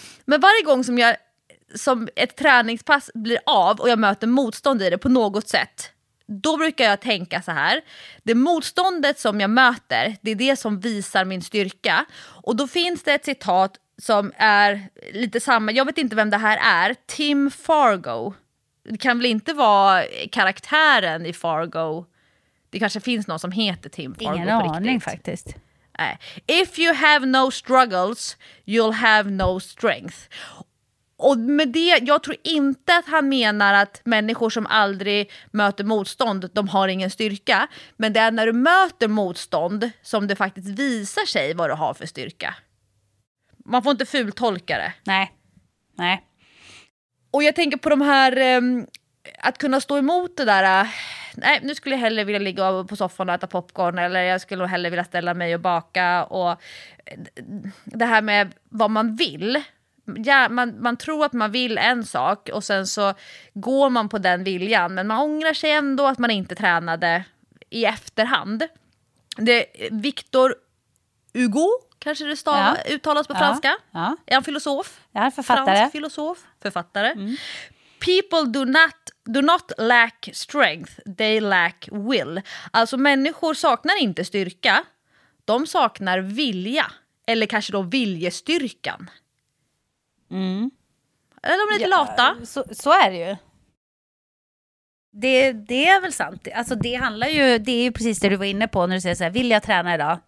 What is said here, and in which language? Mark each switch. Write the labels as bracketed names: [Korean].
[Swedish] Men varje gång som ett träningspass blir av och jag möter motstånd i det på något sätt, då brukar jag tänka så här: det motståndet som jag möter, det är det som visar min styrka. Och då finns det ett citat som är lite samma, jag vet inte vem det här är, Tim Fargo. Det kan väl inte vara karaktären i Fargo? Det kanske finns någon som heter Tim Fargo på riktigt. Ingen aning faktiskt. [English] If you have no struggles, you'll have no strength. [Swedish] Och med det, jag tror inte att han menar att människor som aldrig möter motstånd, de har ingen styrka. Men det är när du möter motstånd som det faktiskt visar sig vad du har för styrka. Man får inte fultolka det. Nej. Och jag tänker på de här, att kunna stå emot det där. Nej, nu skulle jag hellre vilja ligga på soffan och äta popcorn. Eller jag skulle hellre vilja ställa mig och baka. Och det här med vad man vill. Ja, man tror att man vill en sak och sen så går man på den viljan. Men man ångrar sig ändå att man inte tränade i efterhand. Det är Victor Hugo, kanske det stav, uttalas på franska. Ja. Är han filosof? Ja, författare. Fransk filosof, författare. Mm. [English] People do not lack strength, they lack will. [Swedish] Alltså människor saknar inte styrka, de saknar vilja. Eller kanske då viljestyrkan. Mm. Eller de är lite lata. Så är det ju. Det är väl sant. Alltså det handlar ju, det är ju precis det du var inne på när du säger så här, vill jag träna idag?